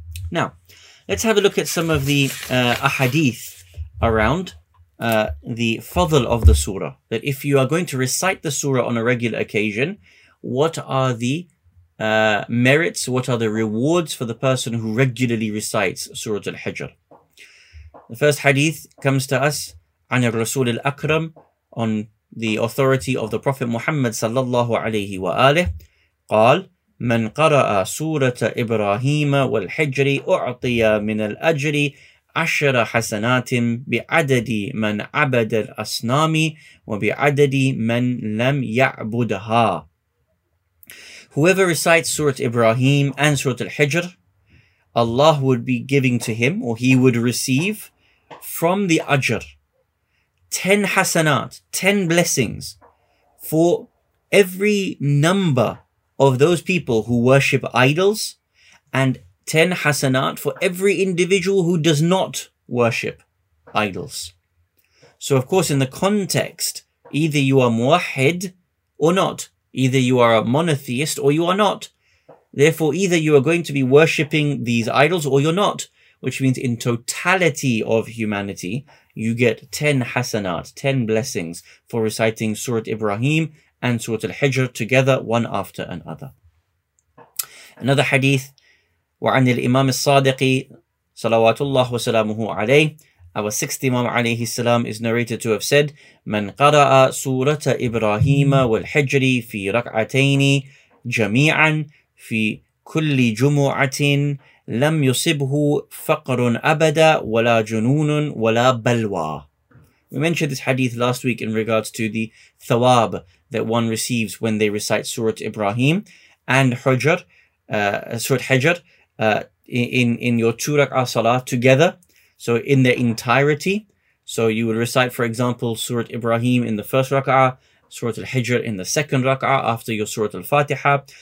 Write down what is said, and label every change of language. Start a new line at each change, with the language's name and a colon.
English: Now, let's have a look at some of the ahadith around the fadl of the surah. That if you are going to recite the surah on a regular occasion, what are the merits, what are the rewards for the person who regularly recites Surah Al-Hijr? The first hadith comes to us,
Arabic: عن الرسول الأكرم,
English: on the authority of the Prophet Muhammad sallallahu alayhi wa alayhi,
Arabic: قال من قرأ سورة إبراهيم والحجر أعطي من الأجر عشر حسنات بعدد من عبد الأصنام وبعدد من لم يعبدها.
English: Whoever recites Surah Ibrahim and Surah Al-Hijr, Allah would be giving to him, or he would receive from the Ajr, 10 hasanat, 10 blessings, for every number of those people who worship idols, and 10 hasanat for every individual who does not worship idols. So of course, in the context, either you are muwahhid or not, either you are a monotheist or you are not. Therefore, either you are going to be worshipping these idols or you're not, which means in totality of humanity, you get 10 hasanat, 10 blessings for reciting Surah Ibrahim and Surah Al-Hijr together, one after another. Another hadith,
Arabic: وعن الإمام الصادق صلوات الله وسلامه عليه,
English: our sixth Imam alayhi salam is narrated to have said,
Arabic: من قرأ سورة إبراهيم والحجر في ركعتين جميعا في كل جمعة لم يصبه فقر أبدا ولا جنون ولا بلوى.
English: We mentioned this hadith last week in regards to the thawab that one receives when they recite Surah Ibrahim and Hujr, Surah Hijr in your two rak'ah salah together, so in their entirety. So you would recite, for example, Surah Ibrahim in the first rak'ah, Surah Al-Hijr in the second rak'ah after your Surah Al-Fatiha.